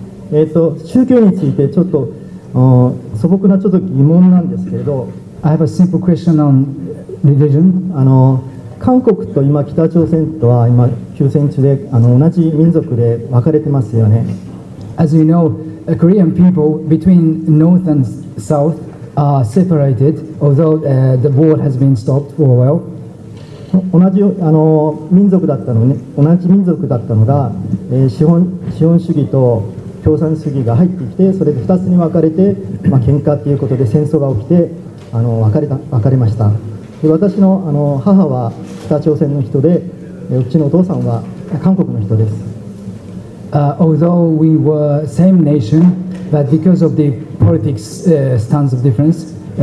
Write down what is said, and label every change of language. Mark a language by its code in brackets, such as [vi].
[ja] 宗教についてちょっと素朴なちょっと疑問なんですけれど、 [en] I have a simple question on religion. [ja] 韓国と今北朝鮮とは今休戦中で同じ民族で分かれてますよね。 [en] As you know, Korean people between North and South are separated, although the war has been stopped for a while. [ja] 同じ民族だったのね、同じ民族だったのが、資本主義と共産主義が入ってきて、それで2つに分かれて、まあ、喧嘩ということで戦争が起きて分かれました。で、私の母は北朝鮮の人で、うちのお父さんは韓国の人です。 [en] Although we were same nation, but because of the politics stands of difference,